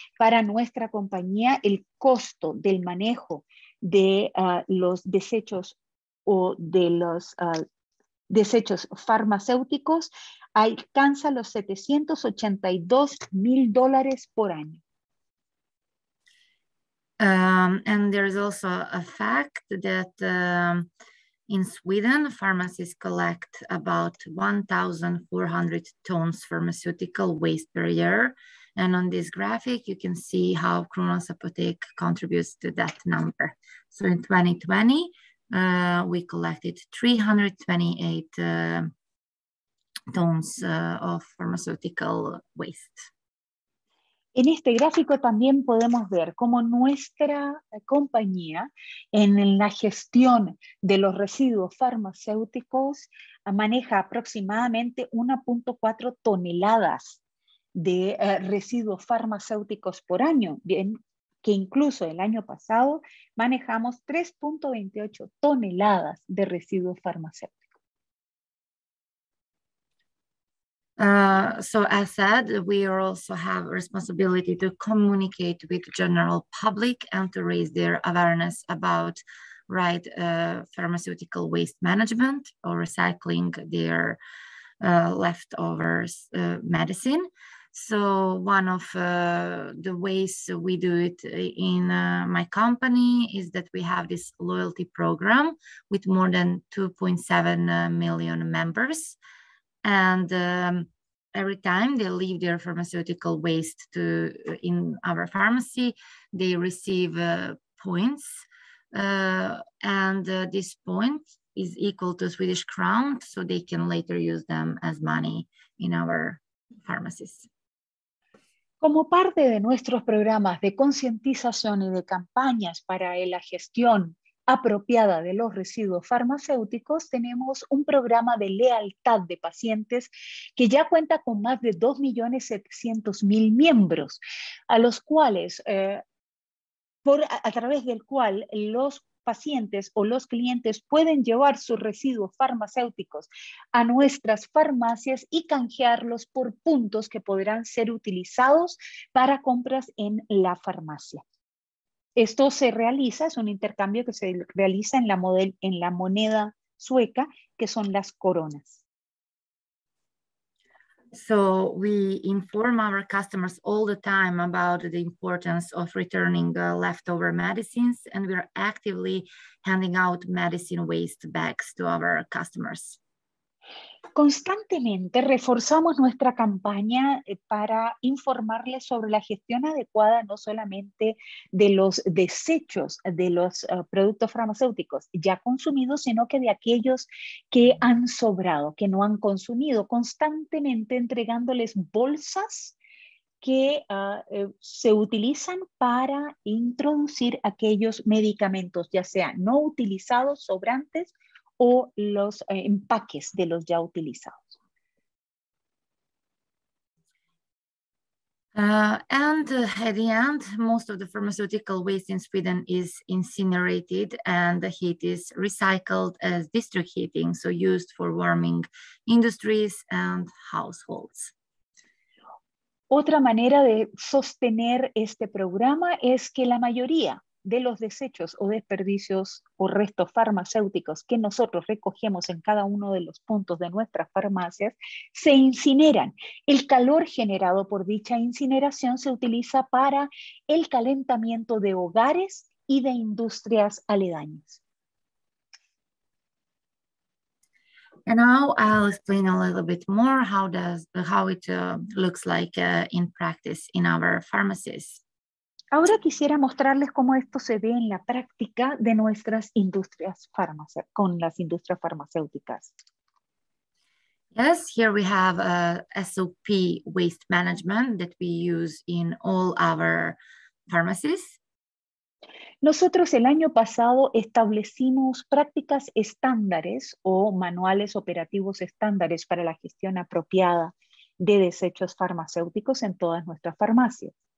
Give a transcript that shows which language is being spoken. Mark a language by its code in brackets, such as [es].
[es] Para nuestra compañía, el costo del manejo de los desechos o de los desechos farmacéuticos alcanza los $782,000 por año. [en] And there is also a fact that in Sweden, pharmacies collect about 1,400 tons pharmaceutical waste per year. And on this graphic, you can see how Kronans Apotek contributes to that number. So in 2020, we collected 328 tons of pharmaceutical waste. [es] En este gráfico también podemos ver cómo nuestra compañía en la gestión de los residuos farmacéuticos maneja aproximadamente 1.4 toneladas de residuos farmacéuticos por año. Bien, que incluso el año pasado manejamos 3.28 toneladas de residuos farmacéuticos. [en] So as said, we also have responsibility to communicate with general public and to raise their awareness about right pharmaceutical waste management or recycling their leftovers medicine. So one of the ways we do it in my company is that we have this loyalty program with more than 2.7 million members. And every time they leave their pharmaceutical waste to in our pharmacy, they receive points. And this point is equal to Swedish crown, so they can later use them as money in our pharmacies. [es] Como parte de nuestros programas de concientización y de campañas para la gestión apropiada de los residuos farmacéuticos, tenemos un programa de lealtad de pacientes que ya cuenta con más de 2.700.000 miembros, a los cuales, a través del cual los pacientes o los clientes pueden llevar sus residuos farmacéuticos a nuestras farmacias y canjearlos por puntos que podrán ser utilizados para compras en la farmacia. Esto se realiza, es un intercambio que se realiza en la moneda sueca, que son las coronas. [en] So we inform our customers all the time about the importance of returning leftover medicines, and we are actively handing out medicine waste bags to our customers. [es] Constantemente reforzamos nuestra campaña para informarles sobre la gestión adecuada no solamente de los desechos de los productos farmacéuticos ya consumidos, sino que de aquellos que han sobrado, que no han consumido, constantemente entregándoles bolsas que se utilizan para introducir aquellos medicamentos, ya sea no utilizados, sobrantes, o los empaques de los ya utilizados. [en] And at the end, most of the pharmaceutical waste in Sweden is incinerated and the heat is recycled as district heating, so used for warming industries and households. [es] Otra manera de sostener este programa es que la mayoría de los desechos o desperdicios o restos farmacéuticos que nosotros recogemos en cada uno de los puntos de nuestras farmacias se incineran. El calor generado por dicha incineración se utiliza para el calentamiento de hogares y de industrias aledañas. [en] And now I'll explain a little bit more how it looks like in practice in our pharmacies. [es] Ahora quisiera mostrarles cómo esto se ve en la práctica de nuestras industrias con las industrias farmacéuticas. [en] Yes, here we have a SOP waste management that we use in all our pharmacies. [es] Nosotros el año pasado establecimos prácticas estándares o manuales operativos estándares para la gestión apropiada de desechos farmacéuticos en todas nuestras farmacias.